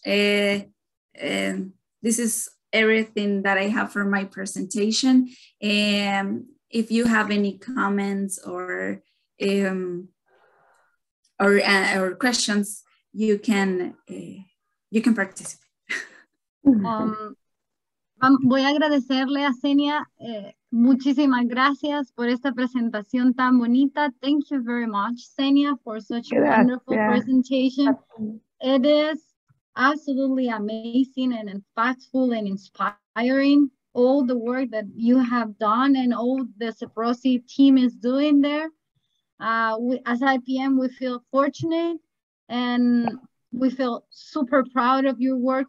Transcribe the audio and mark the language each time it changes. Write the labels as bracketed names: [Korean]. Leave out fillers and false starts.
[English] This is everything that I have for my presentation. If you have any comments or questions, you can participate. [Spanish] Voy a agradecerle a Zenia, muchísimas gracias por esta presentación tan bonita. [English] Thank you very much, Zenia, for such a wonderful presentation. It is absolutely amazing and impactful and inspiring, all the work that you have done and all the Seprosi team is doing there. As IPM, we feel fortunate and we feel super proud of your work.